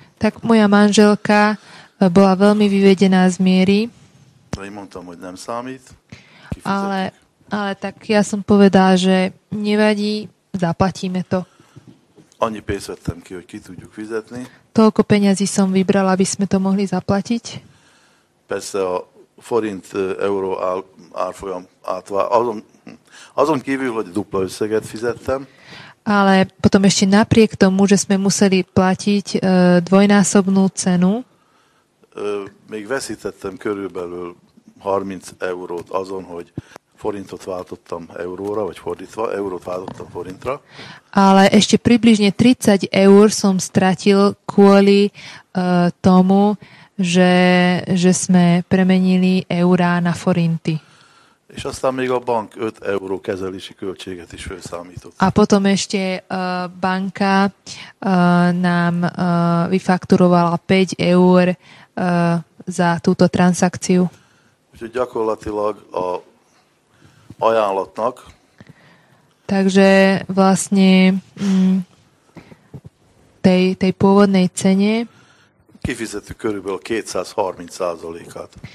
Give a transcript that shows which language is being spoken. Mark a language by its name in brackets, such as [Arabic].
[Slovak] Tak moja manželka bola veľmi vyvedená z miery. [Hungarian] Ja im mondtam, hogy nem számít. [Slovak] Ale tak ja som povedal, že nevadí, zaplatíme to. [Hungarian] Annyi pénzt vettem ki, hogy ki tudjuk fizetni. [Slovak] Toľko peňazí som vybral, aby sme to mohli zaplatiť. [Hungarian] Persze a forint euro árfolyam átvál, azon kívül, hogy dupla összeget fizettem. [Slovak] Ale potom ešte napriek tomu, že sme museli platiť dvojnásobnú cenu. [Hungarian] Még veszítettem körülbelül 30 eurót azon, hogy forintot váltottam euróra, vagy fordítva, eurót váltottam forintra. [Slovak] Ale ešte približne 30 eur som stratil kvôli tomu, že sme premenili eurá na forinty. [Hungarian] És aztán még a bank 5 euró kezelési költséget is felszámított. [Slovak] A potom ešte banka nám vyfakturovala 5 eur za túto transakciu. [Hungarian] Úgyhogy gyakorlatilag a ajánlatnak. [Slovak] Takže vlastne tej pôvodnej cene [Hungarian] kifizetük körülbelül 230%-át.